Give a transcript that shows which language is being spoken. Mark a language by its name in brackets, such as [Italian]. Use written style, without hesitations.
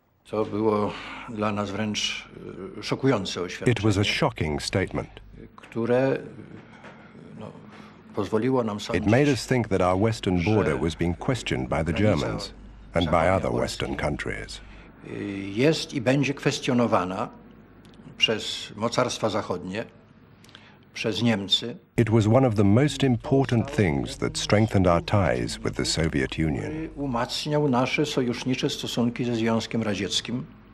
[English] It was a shocking statement. It made us think that our western border was being questioned by the Germans and by other western countries. [Polish] Jest i będzie kwestionowana przez mocarstwa zachodnie, przez Niemcy. [English] It was one of the most important things that strengthened our ties with the Soviet Union. [Polish] Umacniał nasze sojusznicze stosunki ze Związkiem Radzieckim.